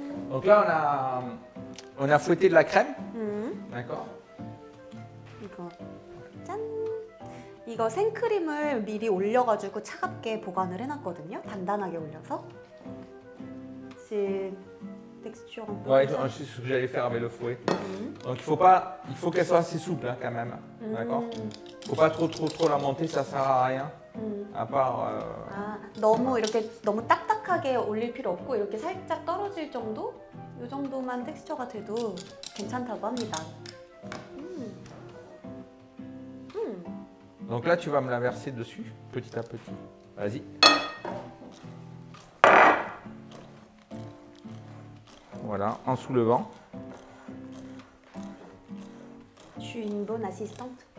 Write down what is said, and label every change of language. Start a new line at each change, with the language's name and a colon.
French: Donc là, on a fouetté de la crème. Mmh. D'accord.
Korean: Il 생크림을 미리 올려가지고 차갑게 보관을 해놨거든요. 단단하게 올려서.
French: C'est texture un peu. Ouais, c'est ce que j'allais faire avec le fouet. Mmh. Donc il faut qu'elle soit assez souple hein, quand même. Mmh. D'accord. Faut pas trop la monter, ça sert à rien. Mmh. À part.
Korean: Ah, 너무 이렇게 너무 딱딱하게 올릴 필요 없고 이렇게 살짝 떨어질 정도, 이 정도만 텍스처가 돼도 괜찮다고 합니다.
French: Donc là, tu vas me la verser dessus, petit à petit. Vas-y. Voilà, en soulevant. Je suis une bonne assistante.